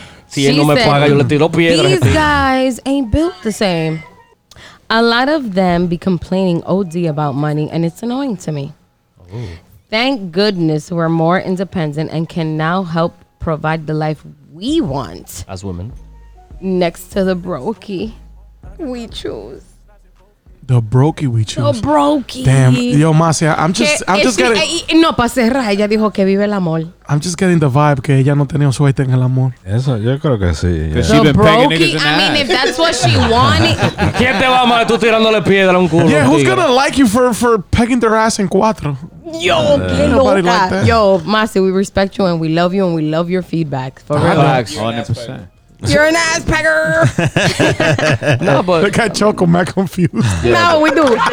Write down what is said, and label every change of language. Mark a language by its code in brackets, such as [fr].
[es] Si él no me paga, yo le tiro piedra. [en] These guys ain't built the same. A lot of them be complaining OD about money, and it's annoying to me. Ooh. Thank goodness we're more independent and can now help provide the life we want. As women. Next to the brokey we choose. The brokey we choose. The brokey. Damn. Yo, Masi, I'm just getting... [es] No, para cerrar, ella dijo que vive el amor. [en] I'm just getting the vibe [es] que ella no tenía suerte en el amor. Eso, yo creo que sí. Yeah. [en] The brokey, I mean, if that's what she wanted... [es] ¿Quién te va a amar tú tirándole piedra a un culo? [en] Yeah, who's going to like you for pegging their ass [es] en cuatro? Yo, qué loca. [en] Like that. Yo, Masi, we respect you and we love you and we love your feedback. For real. 100%. You're an ass pecker. No, but the cat choco mad confused. Yeah. No, we do.